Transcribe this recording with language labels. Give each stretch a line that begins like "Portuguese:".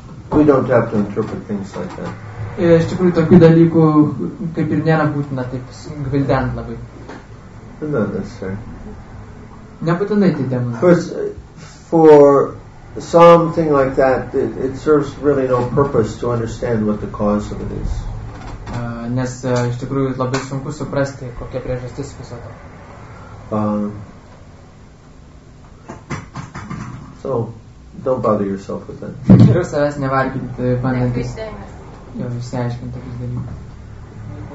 English: We don't have to interpret things like that.
Lithuanian: Iš tikrųjų, tokių dalykų kaip ir nėra būtina taip gvildent labai.
English: No, that's fair.
Lithuanian: Nebūtinai tai demonai.
English: Of course, for something like that, it serves really no purpose to understand what the cause of it is.
Lithuanian: Nes iš tikrųjų labai sunku suprasti, kokia priežastis viso to.
English: So, don't bother yourself with that.
Lithuanian: Geriau savęs nevarginti, bandant jau išsiaiškinti tokius dalykus.